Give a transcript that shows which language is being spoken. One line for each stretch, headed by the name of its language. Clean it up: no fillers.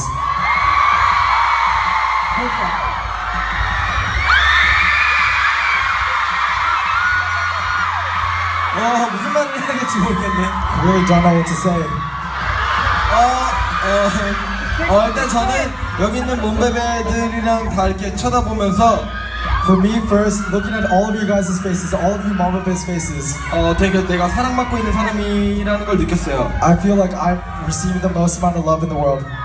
Korean: 무슨 말을 해야 될지 모르겠네.
English: I really don't know what to say.
Korean: 일단 저는 여기 있는 몬베베들이랑 다 이렇게 쳐다보면서
English: For me, first, looking at all of you guys' faces, all of you Mambabes faces.
Korean: 내가 사랑받고 있는 사람이라는 걸 느꼈어요.
English: I feel like I'm receiving the most amount of love in the world.